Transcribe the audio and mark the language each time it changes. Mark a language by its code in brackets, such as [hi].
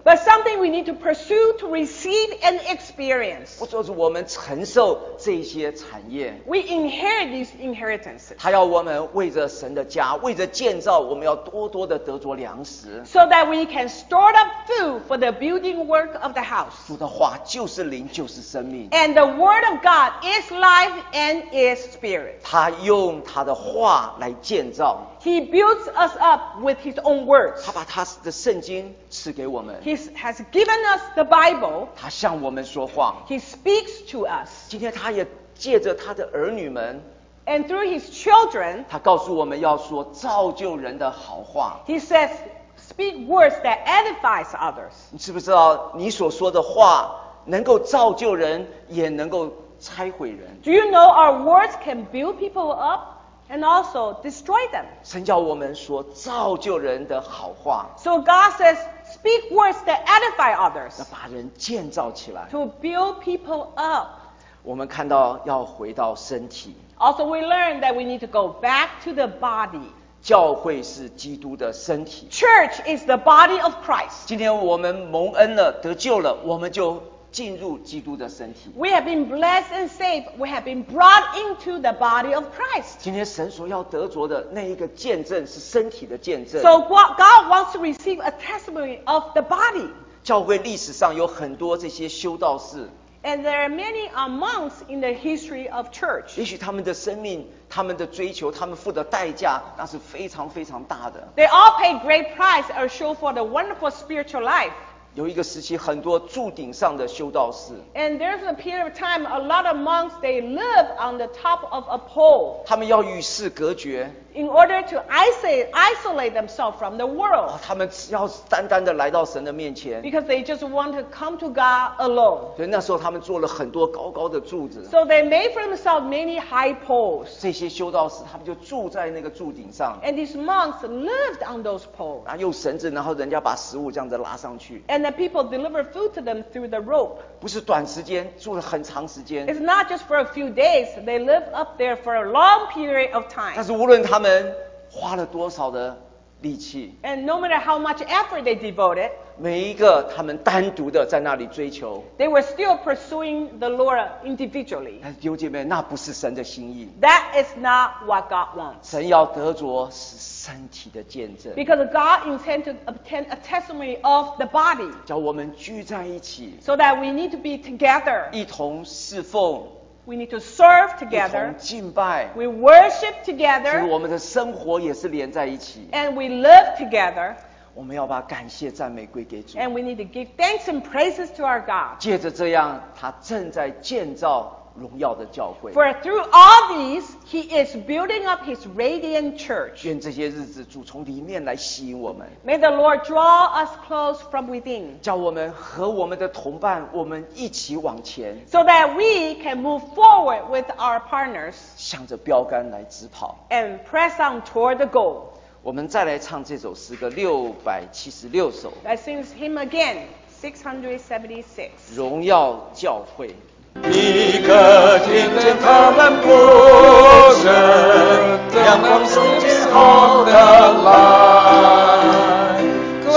[en] But something we need to pursue to receive and experience. [zh] 不就是我们承受这些产业。 [en] We inherit these inheritances. [zh] 他要我们为着神的家，为着建造，我们要多多的得着粮食。 [en] So that we can store up food for the building work of the house. [zh] 主的话就是灵，就是生命。 [en] And the word of God is life and is spirit. [zh] 他用他的话来建造。 [en] He builds us up with his own words. [zh] 他把他的圣经赐给我们。 [en] He has given us the Bible. [zh] 他向我们说话。 [en] He speaks to us. [zh] 今天他也借着他的儿女们。 [en] And through his children. [zh] 他告诉我们要说造就人的好话。 [en] He says, speak words that edifies others. [zh] 你知不知道你所说的话能够造就人，也能够拆毁人。 [en] Do you know our words can build people up? And also destroy them. [zh] 神叫我们说造就人的好话。 [en] So God says, speak words that edify others. [zh] 要把人建造起来。 [en] To build people up. [zh] 我们看到要回到身体。 [en] Also we learn that we need to go back to the body. [zh] 教会是基督的身体。 [en] Church is the body of Christ. [zh] 今天我们蒙恩了，得救了，我们就进入基督的身体。 [en] We have been blessed and saved. We have been brought into the body of Christ. [zh] 今天神所要得着的那一个见证是身体的见证。 [en] So God wants to receive a testimony of the body. [zh] 教会历史上有很多这些修道士。 [en] And there are many monks in the history of church. [zh] 也许他们的生命，他们的追求，他们付的代价，那是非常非常大的。 [en] They all pay great price or show for the wonderful spiritual life. [zh] 有一个时期，很多柱顶上的修道士。 [en] And there's a period of time, a lot of monks they live on the top of a pole. [zh] 他们要与世隔绝。 [en] In order to isolate themselves from the world.、 [zh] 他们要单单的来到神的面前。 [en] Because they just want to come to God alone. [zh] 所以那时候他们做了很多高高的柱子。 [en] So they made for themselves many high poles. [zh] 这些修道士他们就住在那个柱顶上。 [en] And these monks lived on those poles. [zh] 然后用绳子，然后人家把食物这样子拉上去。 [en] And that people deliver food to them through the rope. [zh] 不是短时间，住了很长时间。 [en] It's not just for a few days. They live up there for a long period of time. [zh] 但是无论他们花了多少的力气。 [en] And no matter how much effort they devoted. [zh] 每一个他们单独的在那里追求。 [en] They were still pursuing the Lord individually. [zh] 但是弟兄姐妹，那不是神的心意。 [en] That is not what God wants. [zh] 神要得着是身体的见证。 [en] Because God intends to obtain a testimony of the body. [zh] 叫我们聚在一起。 [en] So that we need to be together. [zh] 一同侍奉。 [en] We need to serve together. [zh] 一同敬拜。 [en] We worship together. [zh] 其实我们的生活也是连在一起。 [en] And we live together. [zh] 我们要把感谢赞美归给主。 [en] And we need to give thanks and praises to our God. [zh] 借着这样，他正在建造荣耀的教会。 [en] For through all these, he is building up his radiant church. [zh] 愿这些日子主从里面来吸引我们。 [en] May the Lord draw us close from within. [zh] 叫我们和我们的同伴，我们一起往前。 [en] So that we can move forward with our partners. [zh] 向着标杆来直跑。 [en] And press on toward the goal. [zh] 我们再来唱这首诗歌676首。 [en] Let's sing him again, 676. [zh] 荣耀教会。一个天天他们不争，阳光送金红的来。